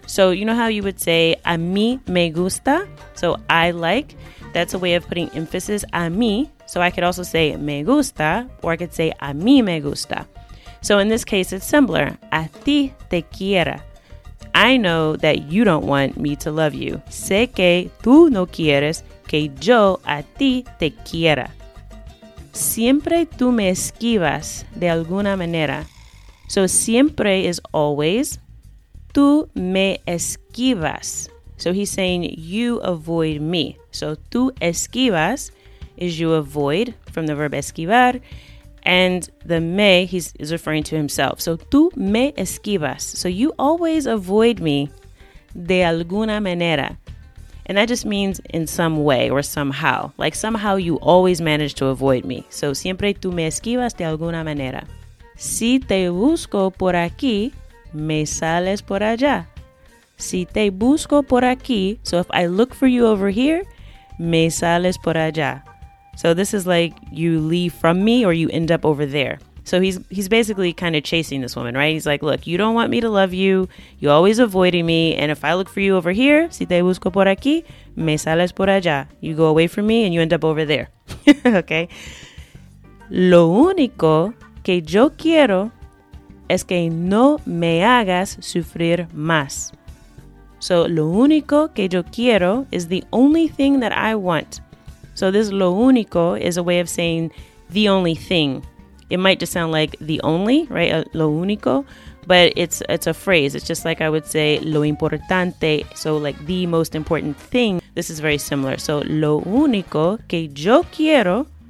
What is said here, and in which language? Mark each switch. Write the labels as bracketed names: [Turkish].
[English] So you know how you would say, [Spanish] a mí me gusta, [English] so I like. That's a way of putting emphasis a mí. So I could also say me gusta, or I could say [Spanish] a mí me gusta. [English] So in this case, it's simpler. [Spanish] A ti, te quiera. [English] I know that you don't want me to love you. [Spanish] Sé que tú no quieres que yo a ti te quiera. Siempre tú me esquivas de alguna manera. [English] So siempre is always. [Spanish] Tú me esquivas. [English] So he's saying you avoid me. So [Spanish] tú esquivas [English] is you avoid from the verb esquivar. And the me, he's referring to himself. So [Spanish] tú me esquivas. [English] So you always avoid me [Spanish] de alguna manera. [English] And that just means in some way or somehow. Like somehow you always manage to avoid me. So [Spanish] siempre tú me esquivas de alguna manera. Si te busco por aquí, me sales por allá. Si te busco por aquí, [English] so if I look for you over here, [Spanish] me sales por allá. [English] So this is like you leave from me or you end up over there. So he's basically kind of chasing this woman, right? He's like, look, you don't want me to love you. You're always avoiding me. And if I look for you over here, [Spanish] si te busco por aquí, me sales por allá. [English] You go away from me and you end up over there. Okay. [Spanish] Lo único que yo quiero es que no me hagas sufrir más. [English] So [Spanish] lo único que yo quiero [English] is the only thing that I want. So this [Spanish] lo único [English] is a way of saying the only thing. It might just sound like the only, right? [Spanish] Lo único, [English] but it's a phrase. It's just like I would say [Spanish] lo importante. [English] So like the most important thing. This is very similar. So [Spanish] lo único que yo quiero.